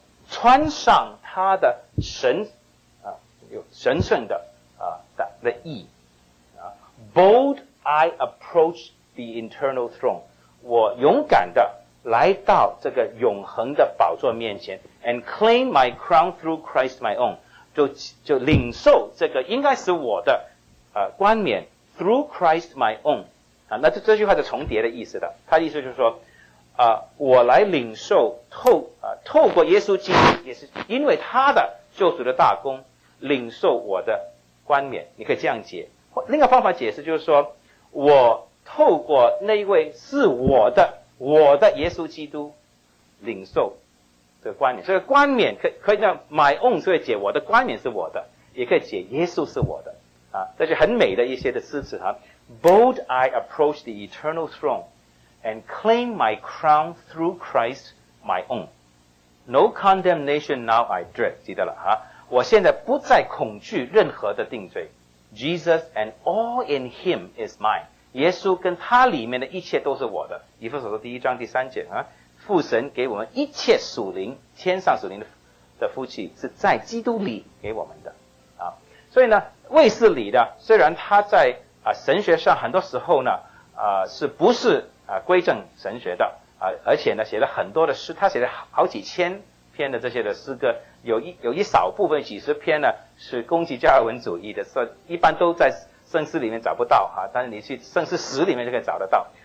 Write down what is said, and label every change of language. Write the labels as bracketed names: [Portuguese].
[Chinese] 穿上他的神神圣的的义。 [English] Bold I approach the eternal throne. [Chinese] 我勇敢的来到这个永恒的宝座面前 ， [English] and claim my crown through Christ my own， [Chinese] 就领受这个应该是我的冠冕 [English] through Christ my own [Chinese] 啊，那这句话是重叠的意思的。他的意思就是说，我来领受透过耶稣基督，也是因为他的救赎的大功，领受我的冠冕。你可以这样解，另一个方法解释就是说，我透过那一位是我的。我的耶稣基督领受这个冠冕，这个冠冕可以叫 my own， 所以解我的冠冕是我的，也可以解耶稣是我的啊，这是很美的一些的诗词哈。 [English] Bold I approach the eternal throne and claim my crown through Christ my own. No condemnation now I dread， [Chinese] 记得了哈、啊，我现在不再恐惧任何的定罪。 [English] Jesus and all in Him is mine。 [Chinese] 耶稣跟他里面的一切都是我的。以弗所书第一章第三节啊，父神给我们一切属灵天上属灵的福气是在基督里给我们的啊。所以呢，卫斯理的虽然他在神学上很多时候呢是不是归正神学的啊，而且呢写了很多的诗，他写了好几千篇的这些的诗歌，有一少部分几十篇呢是攻击加尔文主义的，所以一般都在圣诗里面找不到哈、啊，但是你去圣诗十里面就可以找得到。